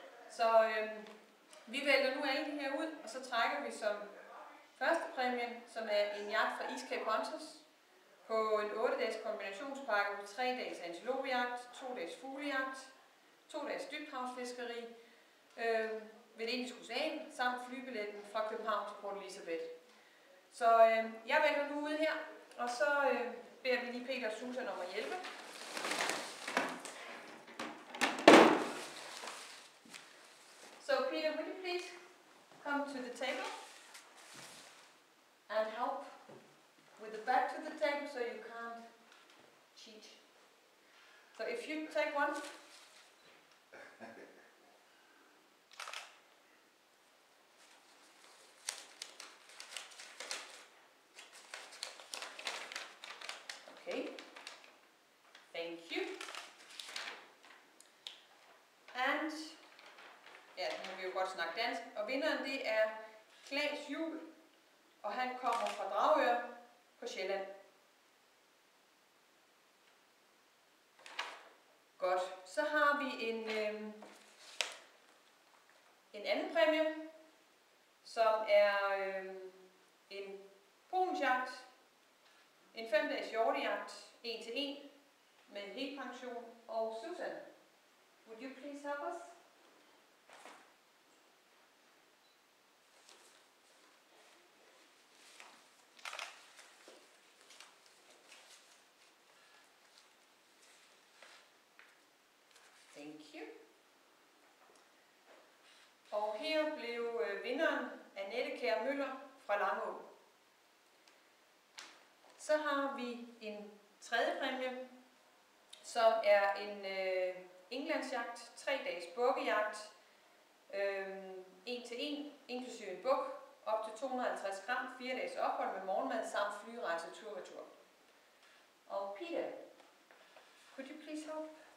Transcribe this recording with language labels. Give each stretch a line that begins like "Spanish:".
Danish: Så vi vælger nu alle de her ud, og så trækker vi som første præmie, som er en jagt fra East Cape Hunters på en 8-dages kombinationspakke med 3-dages antilopejagt, 2-dages fuglejagt, 2-dages dybhavsfiskeri, ved det indiske ocean, samt flybilletten fra København til Port Elizabeth. Så jeg vælger nu ud her, og så beder vi lige Peter og Susan om at hjælpe.
English: So Peter, would you please come to the table and help with the back to the table so you can't cheat. So if you take one. Okay, thank you. And
Danish: ja, nu vil vi jo godt snakke dansk. Og vinderen det er Claes Juhl, og han kommer fra Dragør på Sjælland. Godt, så har vi en anden præmie, som er en bonusjagt. En 5-dages hjortejagt, 1-1, med helt pension.
English: Og Susan, would you please help us? Thank you.
Danish: Og her blev vinderen Annette Kjær Møller fra Langå. Så har vi en tredje præmie, som er en englandsjagt, 3-dages bukkejagt, 1-1, inklusive en buk, op til 250 gram, 4-dages ophold med morgenmad samt flyrejse tur-retur.
English: Og Peter, could you please help?